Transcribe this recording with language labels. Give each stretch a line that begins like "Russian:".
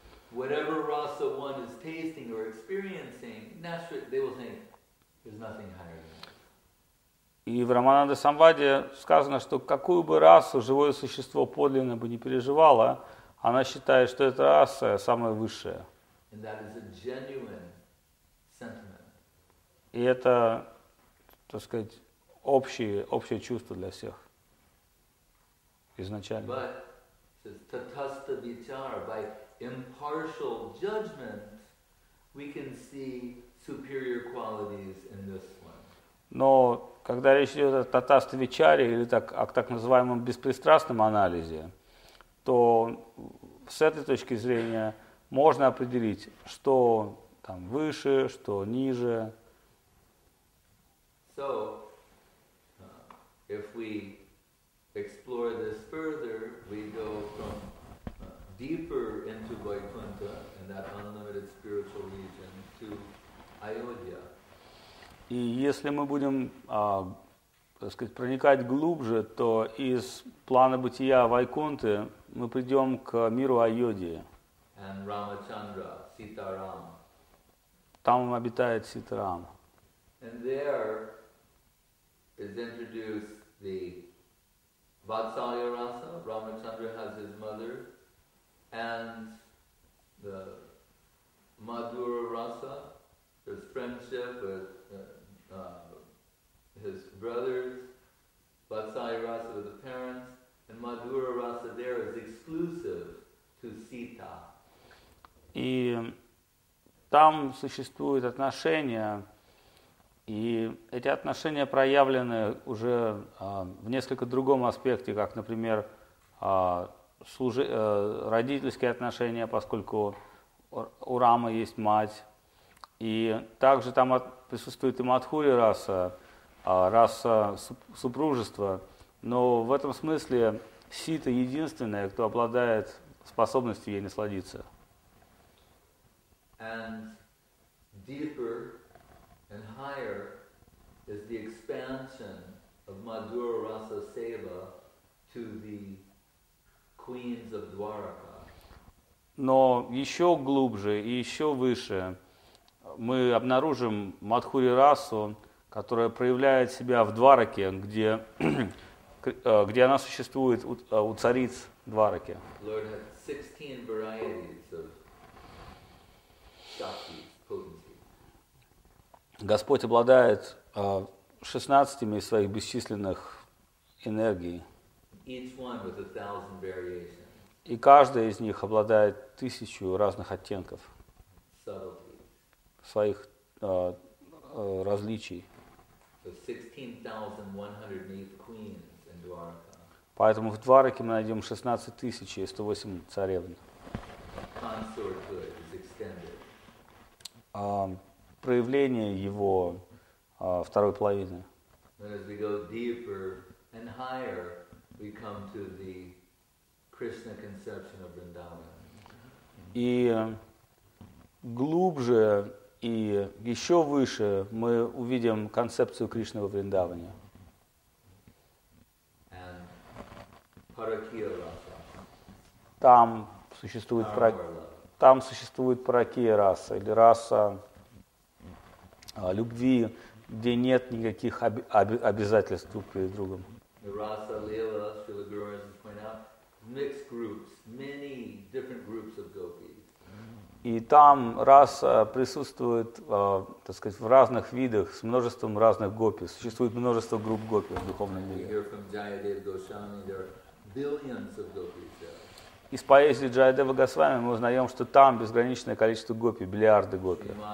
English: Whatever rasa one is tasting or experiencing, naturally they will think there's nothing higher than it.
Russian: И в Рамананда Самваде сказано, что какую бы расу живое существо подлинно бы не переживало, она считает, что эта раса самая высшая.
English: And that is a genuine sentiment.
Russian: И это, так сказать, общее чувство для всех изначально.
English: But tatasta vichara, by impartial judgment, we can see superior qualities in this one.
Russian: Но когда речь идет о татаста вичаре или так называемом беспристрастном анализе, то с этой точки зрения можно определить, что там выше, что ниже.
English: So, if we explore this further, we go from deeper into Vaikuntha, in that unlimited spiritual region, to Ayodhya.
Russian: И если мы будем, так сказать, проникать глубже, то из плана бытия Вайкунты мы придем к миру Айодхи.
English: And Ramachandra, Sitaram.
Russian: Там обитает Ситарам.
English: And there is introduced the Vatsalya Rasa. Ramachandra has his mother, and the Madhura Rasa, his friendship with his brothers, Vatsalya Rasa with the parents, and Madhura Rasa there is exclusive to Sita.
Russian: И там существуют отношения, и эти отношения проявлены уже в несколько другом аспекте, как, например, родительские отношения, поскольку у Рамы есть мать. И также там присутствует и Мадхури раса, раса супружества. Но в этом смысле Сита единственная, кто обладает способностью ей насладиться.
English: And deeper and higher is the expansion of Madhura Rasa Seva to the queens of Dwaraka.
Russian: Но еще глубже и еще выше мы обнаружим Мадхури Расу, которая проявляет себя в Двараке, где, где она существует у цариц Двараки.
English: Lord had 16 varieties of
Russian: Господь обладает 16 из своих бесчисленных энергий.
English: Each one with a thousand variations.
Russian: И каждая из них обладает 1000 разных оттенков
English: Subtleties.
Russian: Своих различий.
English: So 16,108 queens in Dwaraka.
Russian: Поэтому в Двараке мы найдем 16,108 царевн.
English: Consorthood is extended.
Russian: Проявление его второй половины.
English: As we go deeper and higher, we come to the Krishna conception of Vrindavan.
Russian: И глубже и еще выше мы увидим концепцию Кришны во Вриндаване.
English: And Паракия Раса.
Russian: Там существует Паракия Раса или раса любви, где нет никаких обязательств друг перед другом.
English: Раса Лила, Шрила Гуранджи point out, mixed groups, many different groups of gopis.
Russian: И там раса присутствует, так сказать, в разных видах, с множеством разных гопи. Существует множество групп гопи в духовном мире.
English: We hear from Jayadeva Goswami, there are billions of gopis there.
Russian: Из поэзии Джаядева Госвами мы узнаем, что там безграничное количество гопи, миллиарды гопи.